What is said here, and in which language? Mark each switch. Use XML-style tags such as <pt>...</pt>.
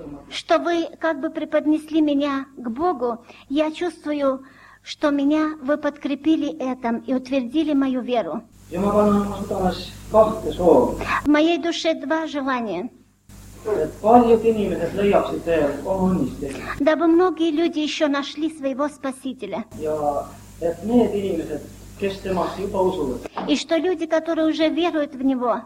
<ru>что вы как бы преподнесли меня к Богу, я чувствую, что меня вы подкрепили этим и утвердили мою веру.</ru> <et>Ja ma panen oma südames kahte soovi.</et> <ru>Моей душе два желания.</ru> <et>Et paljud inimesed leiaksid teie oma õnnistuse.</et> <ru>Дабы многие люди еще нашли своего спасителя.</ru> <et>Ja et need inimesed, kes temast juba usuvad.</et> <ru>И что люди, которые уже веруют в него.</ru>